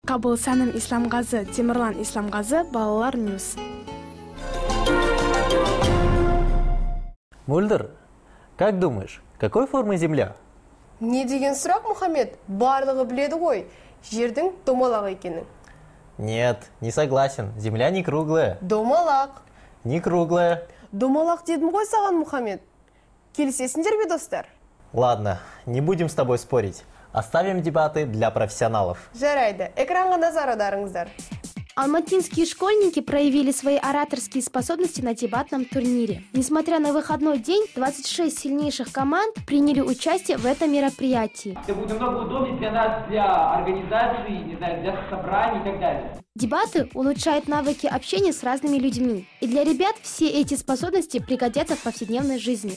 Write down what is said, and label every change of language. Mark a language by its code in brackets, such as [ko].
[kk] Кабыл Сәнім Исламғазы, Темірлан Исламғазы, Балалар Ньюс. [ru] Мөлдір, как думаешь, какой формы земля? [kk] Не деген сұрақ, Мұхаммед, барлығы біледі ғой, жердің домалақ екенің. [ru] Нет, не согласен, земля не круглая. [kk] Домалақ. [ru] Не круглая. [kk] Домалақ дедім ғой саған, Мұхаммед. Келісесіңдер бе, достар? [ru] Ладно, не будем с тобой спорить. Оставим дебаты для профессионалов. [kk] Жарайды, экранға назар аударыңыздар. [ru] Алматинские школьники проявили свои ораторские способности на дебатном турнире. Несмотря на выходной день, 26 сильнейших команд приняли участие в этом мероприятии. Это будет много удобнее для нас, для организации, не знаю, для собраний и так далее. Дебаты улучшают навыки общения с разными людьми. И для ребят все эти способности пригодятся в повседневной жизни.